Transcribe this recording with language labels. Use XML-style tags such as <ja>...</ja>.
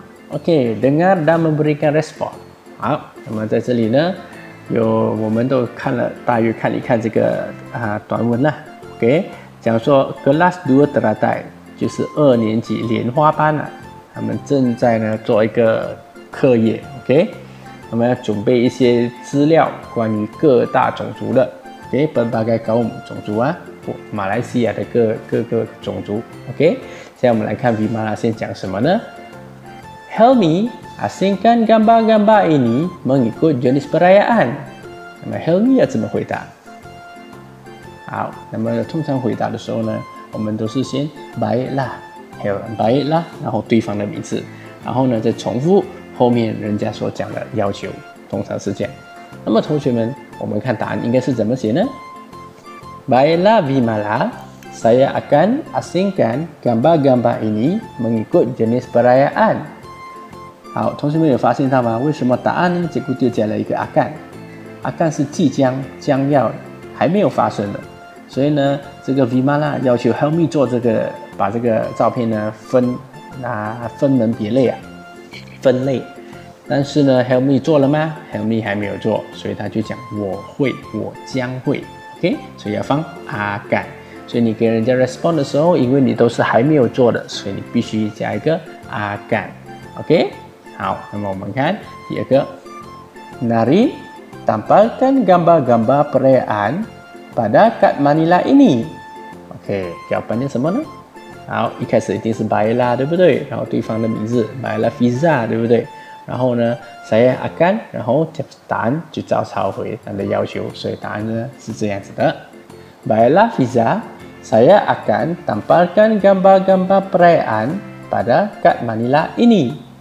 <zh>OK，</zh> <ms>dengar dan memberikan respon。</ms> <zh>好，那么在这里呢，我们都看了，大约看一看这个短文啦。OK， 讲说</zh> <ms>kelas dua teratai，</ms> <zh>就是二年级莲花班了。 他们正在呢做一个课业 ，OK，我们要准备一些资料关于各大种族的给本巴盖高姆种族啊，马来西亚的各个种族。 OK， 现在我们来看 Vimala 先讲什么呢？</zh> <ms>Helmi asingkan gambar-gambar ini mengikut jenis perayaan。</ms> <zh>那么 Helmi 要怎么回答？好，那么通常回答的时候呢，我们都是先 baiklah， 还有 baiklah， 然后对方的名字，然后呢再重复后面人家所讲的要求，通常是这样。那么同学们，我们看答案应该是怎么写呢？</zh> <ms>Baiklah Vimala, saya akan asingkan gambar-gambar ini mengikut jenis perayaan。</ms> <zh>好，同学们有发现到吗？为什么答案呢结果就加了一个 akan？ akan 是即将、将要、还没有发生的，所以呢这个 Vimala 要求 Helmi 做这个，把这个照片呢分门别类啊，分类。但是呢 Helmi 做了吗？Helmi 还没有做，所以他就讲我会，我将会。 OK， 所以要放 akan。所以你给人家 respond 的时候，因为你都是还没有做的，所以你必须加一个 akan。</zh> <ms>OK，</ms> <zh>好，那么我们看第二个，</zh> <ms>Nari tampilkan gambar-gambar perayaan pada kad Manila ini。</ms> <zh>OK， 叫什么呢？好，一开始一定是 baiklah 对不对？然后对方的名字 baiklah Fiza 对不对？然后呢</zh> <ms>saya akan，</ms> <zh>然后答案就照抄回他的要求，所以答案呢是这样子的。</zh> <ms>baiklah Fiza， saya akan tampilkan gambar-gambar perayaan pada kad Manila ini。</ms>